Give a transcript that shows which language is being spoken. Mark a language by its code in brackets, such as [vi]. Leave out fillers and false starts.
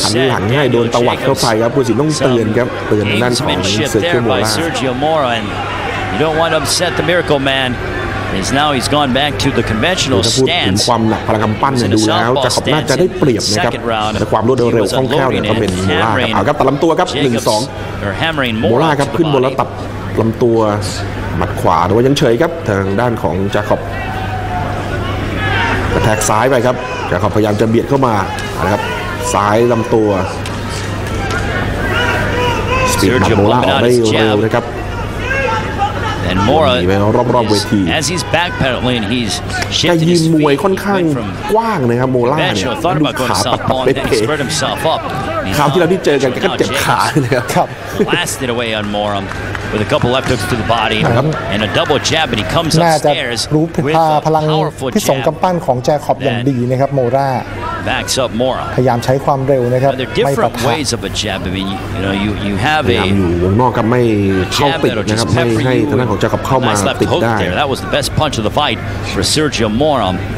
[th] หลังง่ายโดนตะวัดเข้าไปครับผู้สินต้องเตือนครับเตือนด้านของเซอร์จิโอโมล่า [en] You don't want to upset the miracle man is now he's gone back to the conventional stance [th] ถึงความหนักพลังกำปั้นเนี่ยดูแล้วจะขอบน่าจะได้เปรียบนะครับและความรวดเร็วคล่องแคล่วเนี่ยก็เป็นโมล่าครับเอาครับตัดลำตัวครับ 1-2 โมล่าครับขึ้นบนแล้วตัดลำตัวหมัดขวาแต่ว่ายังเฉยครับทางด้านของจาคอบกระแทกซ้ายไปครับจาคอบพยายามจะเบียดเข้ามาเอาละครับซ้ายลำตัวสปีดหมัดโมล่าออกได้เร็วนะครับ [en] And Mora, as he's backpedaling, he's shifting his feet from conventional. Thought about going southpaw and then spread himself up. Blasted away on Mora with a couple left hooks to the body and a double jab, and he comes upstairs with a powerful jab. [th] น่าจะรู้พลังที่ส่งกำปั้นของแจ็ค ขอบอย่างดีนะครับโมราพยายามใช้ความเร็วนะครับไม่ปะทะ พยายาม อยู่วงนอกครับไม่เข้าติดนะครับไม่ให้ทางด้านของจะขับเข้ามาติดได้ [en] That was the best punch of the fight for Sergio Mora.